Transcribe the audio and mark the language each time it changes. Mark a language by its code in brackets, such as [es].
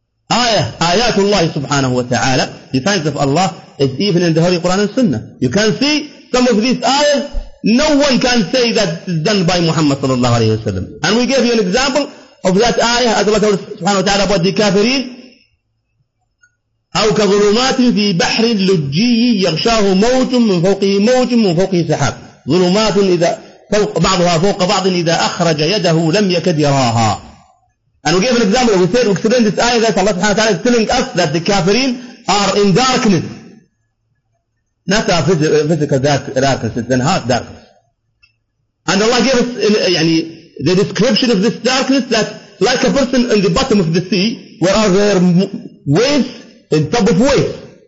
[en] Ayah, ayatullah subhanahu wa ta'ala, the signs of Allah is even in the Holy Quran and Sunnah. You can see some of these ayahs, no one can say that it's done by Muhammad sallallahu alayhi wa sallam. And we gave you an example of that ayah, as Allah subhanahu wa ta'ala, about the kafirin. [ar] أو كظلمات في بحر لجي يغشاه موج من فوقه موج من فوقه سحاب ظلمات إذا فوق بعضها فوق بعض إذا أخرج يده لم يكد يراها. [en] And we gave an example. We said, we explained this ayah that Allah subhanahu wa ta'ala is telling us that the kafirin are in darkness. Not a physical darkness, it's in heart darkness. And Allah gave us the description of this darkness, that like a person in the bottom of the sea, where are there waves on top of waves?